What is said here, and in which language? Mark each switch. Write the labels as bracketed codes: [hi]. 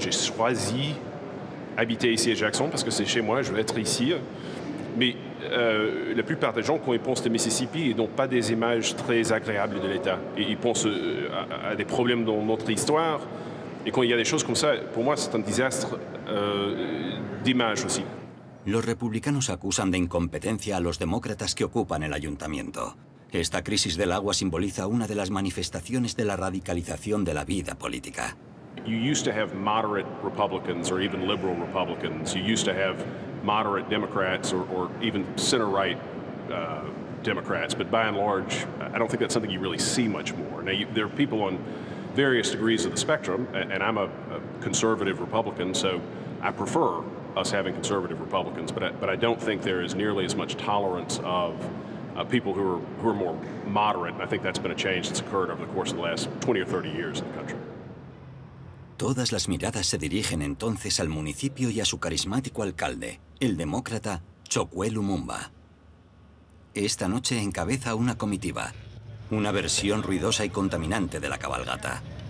[fr] J'ai choisi habiter ici à Jackson parce que c'est chez moi. Je veux être ici. Mais la plupart des gens, quand ils pensent au Mississippi, ils n'ont pas des images très agréables de l'État. Ils pensent à des problèmes dans notre histoire. Et quand il y a des choses comme ça, pour moi, c'est un désastre d'image aussi. [es] Los republicanos acusan de incompetencia a los demócratas que ocupan el ayuntamiento. Esta crisis del agua simboliza una de las manifestaciones de la radicalización de la vida política. [en] You used to have moderate Republicans or even liberal Republicans. You used to have moderate Democrats or even center-right Democrats. But by and large, I don't think that's something you really see much more. Now, there are people on various degrees of the spectrum, and I'm a conservative Republican, so I prefer us having conservative Republicans, but I don't think there is nearly as much tolerance of people who are more moderate. And I think that's been a change that's occurred over the course of the last 20 or 30 years in the country. [es] Todas las miradas se dirigen entonces al municipio y a su carismático alcalde, el demócrata Chokwe Lumumba. Esta noche encabeza una comitiva, una versión ruidosa y contaminante de la cabalgata.